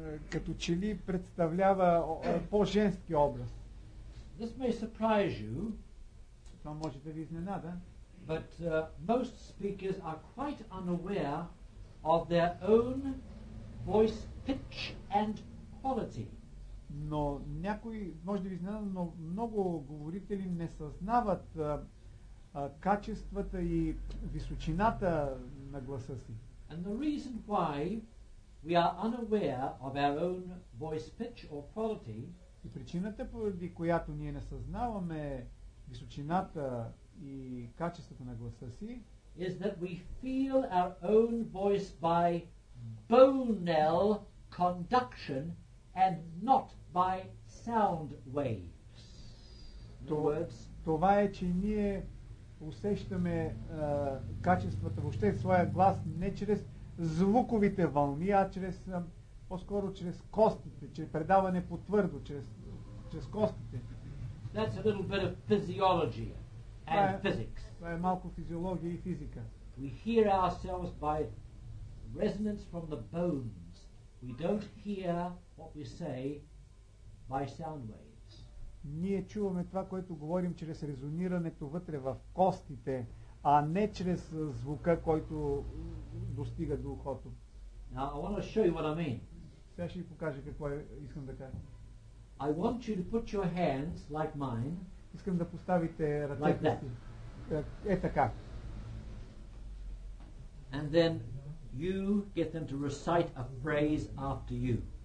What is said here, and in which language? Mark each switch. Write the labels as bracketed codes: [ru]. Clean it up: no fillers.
[bg] Като че ли представлява по-женски образ. [en] This may surprise you, [bg] това може да ви изненада, [en] but most speakers are quite unaware of their own voice pitch and quality. [bg] Но някои, може да ви изненада, но много говорители не съзнават качествата и височината на гласа си. [en] And the reason why we are unaware of our own voice pitch or quality. [bg] И причината, поради която ние не съзнаваме височината и качеството на гласа си, [en] is that we feel our own voice by bonal conduction and not by sound waves. [bg] Това е, че ние усещаме качествата, въобще своя глас, не чрез звуковите вълни, а чрез, по-скоро чрез костите, чрез предаване по твърдо, чрез костите. [en] That's a little bit of physiology and physics. [bg] Това е малко физиология и физика. [en] We hear ourselves by resonance from the bones. We don't hear what we say by sound waves. [bg] Ние чуваме това, което говорим чрез резонирането вътре в костите, а не чрез звука, който достига до ухото. [en] Now, I want to show you what I mean. [bg] Сега ще ви покажа какво искам да кажа. [en] I want you to put your hands like mine. [bg] Искам да поставите ръцете си. Е така. [en] And then you get them to recite a phrase after you.